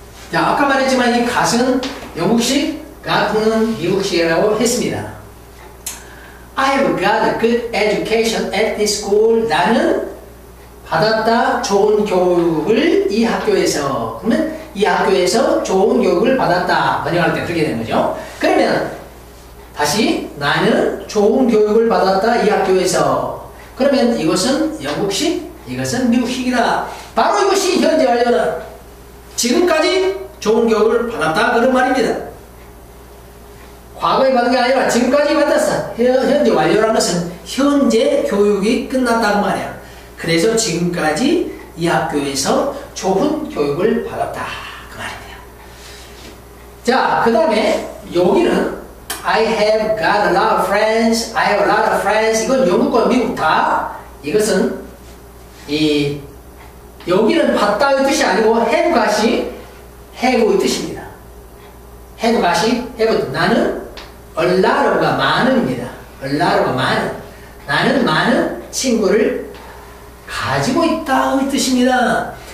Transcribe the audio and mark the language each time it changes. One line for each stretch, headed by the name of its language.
Korean: 자, 아까 말했지만 이 갓은 영국식, 가프는 미국식이라고 했습니다.
English: I have got a good education at this school.
Korean: 나는 받았다. 좋은 교육을 이 학교에서. 그러면 이 학교에서 좋은 교육을 받았다. 번역할 때 그렇게 된 거죠. 그러면 다시 나는 좋은 교육을 받았다. 이 학교에서. 그러면 이것은 영국식, 이것은 미국식이다. 바로 이것이 현재 완료는 지금까지 좋은 교육을 받았다. 그런 말입니다. 과거에 받은 게 아니라 지금까지 받았어. 현재 완료라는 것은 현재 교육이 끝났다는 말이야. 그래서 지금까지 이 학교에서 좋은 교육을 받았다 그 말입니다. 자, 그 다음에 여기는
English: I have got a lot of friends. I have a lot of friends.
Korean: 이건 영국과 미국 다. 이것은 이 여기는 받다의 뜻이 아니고 have got이 have의 뜻입니다. have got이 have. 나는 얼라로가 많음입니다. 얼라로가 많음. 나는 많은 친구를 가지고 있다의 뜻입니다.